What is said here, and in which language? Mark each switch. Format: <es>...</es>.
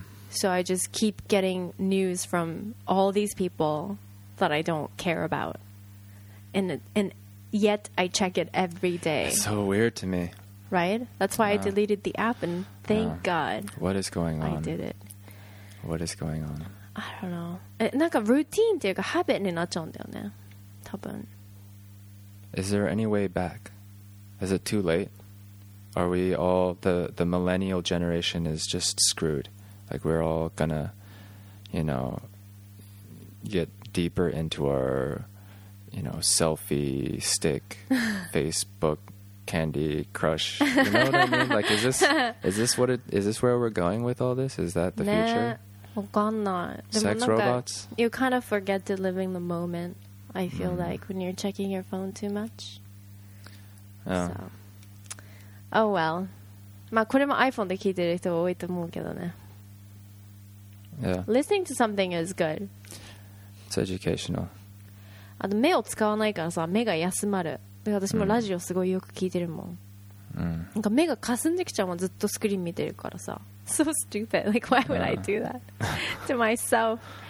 <en>So I just keep getting news from all these people that I don't care about, and yet I check it every day. It's so weird to me, right? That's why I deleted the app, and thank god. What is going on? I did it. What is going on? I don't know.</en> <ja>なんかルーティンっていうか habit になっちゃうんだよね多分。</ja> <en>Is there any way back? Is it too late? Are we all, the millennial generation is just screwed. Like, we're all gonna, you know, get deeper into our you know, selfie stick, Facebook, Candy Crush. You know what I mean? Like, is this where we're going with all this? Is that the future?</en> <ja>わかんない。でもなんか、</ja> <en>Sex robots? You kind of forget to live in the moment, I feel like, when you're checking your phone too much. Yeah. So. Oh, well.</en> <ja>まあ、これも iPhone で聞いてる人多いと思うけどね。</ja> <en>Yeah. Listening to something is good. It's educational.</en> <ja>あの目を使わないからさ、目が休まる。で、私もラジオすごいよく聞いてるもん。なんか目がかすんできちゃうもん、ずっとスクリーン見てるからさ。</ja> <en>So stupid. Like, why would I do that to myself?</en>